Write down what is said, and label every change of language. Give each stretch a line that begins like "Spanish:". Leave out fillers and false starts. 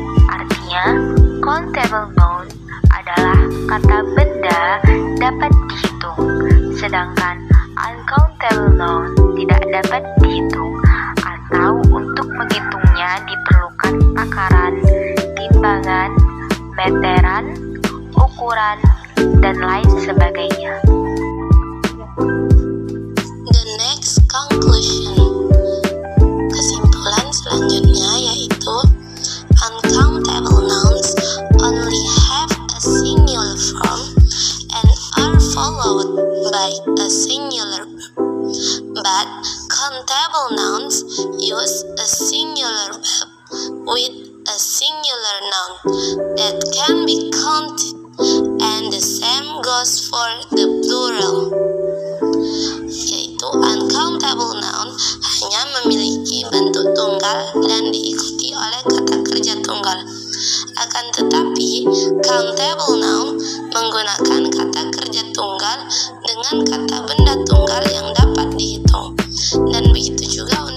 Indonesian: Artinya, countable noun adalah kata benda dapat dihitung, sedangkan uncountable noun tidak dapat dihitung, atau untuk menghitungnya diperlukan takaran, timbangan, meteran, ukuran, dan lain sebagainya.
English: The next conclusion,
Indonesian: kesimpulan selanjutnya yaitu
English: uncountable nouns only have a singular form and are followed by a singular verb, but countable nouns use a singular verb with a singular noun that can be counted And the same goes for the plural,
Indonesian: yaitu uncountable noun hanya memiliki bentuk tunggal dan diikuti oleh kata kerja tunggal. Akan tetapi, countable noun menggunakan kata kerja tunggal dengan kata benda tunggal yang dapat dihitung. Dan begitu juga